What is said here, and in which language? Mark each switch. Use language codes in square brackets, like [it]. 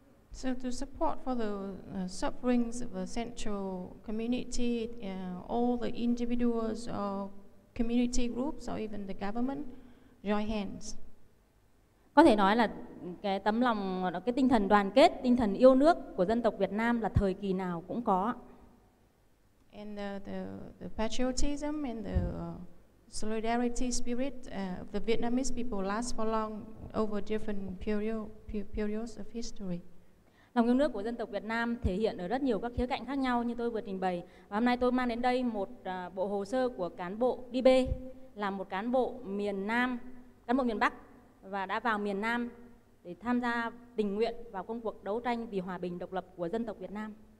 [en] So to support for the sufferings of the central community, all the individuals or community groups or even the government join hands. [vi] Có thể nói là cái tấm lòng, cái tinh thần đoàn kết, tinh thần yêu nước của dân tộc Việt Nam là thời kỳ nào cũng có. [en] And the patriotism and the solidarity spirit of the Vietnamese people last for long over different periods of history. [vi] Lòng yêu nước của dân tộc Việt Nam thể hiện ở rất nhiều các khía cạnh khác nhau như tôi vừa trình bày. Và hôm nay tôi mang đến đây một bộ hồ sơ của cán bộ DB, là một cán bộ miền Nam, cán bộ miền Bắc, và đã vào miền Nam để tham gia tình nguyện vào công cuộc đấu tranh vì hòa bình độc lập của dân tộc Việt Nam.